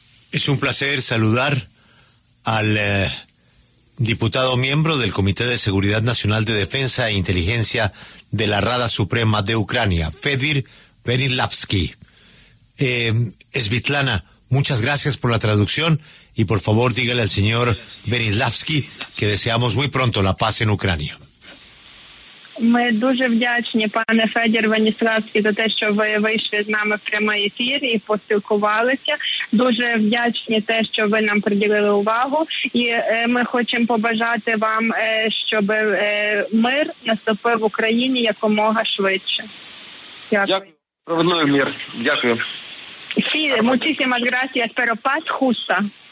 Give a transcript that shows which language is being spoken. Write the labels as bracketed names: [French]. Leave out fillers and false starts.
[Spanish] Es un placer saludar al diputado miembro del Comité de Seguridad Nacional de Defensa e Inteligencia de la Rada Suprema de Ucrania, Fedir Berilavsky. Svitlana, muchas gracias por la traducción. Y por favor, dígale al señor Berilavsky que deseamos muy pronto la paz en Ucrania. [Ukrainian] Ми дуже вдячні, пане Федір Веніславський, за те, що ви вийшли з нами в прямий ефір і поспілкувалися. Дуже вдячні те, що ви нам приділили увагу. І ми хочемо побажати вам, щоб мир наступив в Україні якомога швидше. Дякую. Проведу мир. Дякую. [Spanish] Sí, muchísimas gracias, pero paz justa.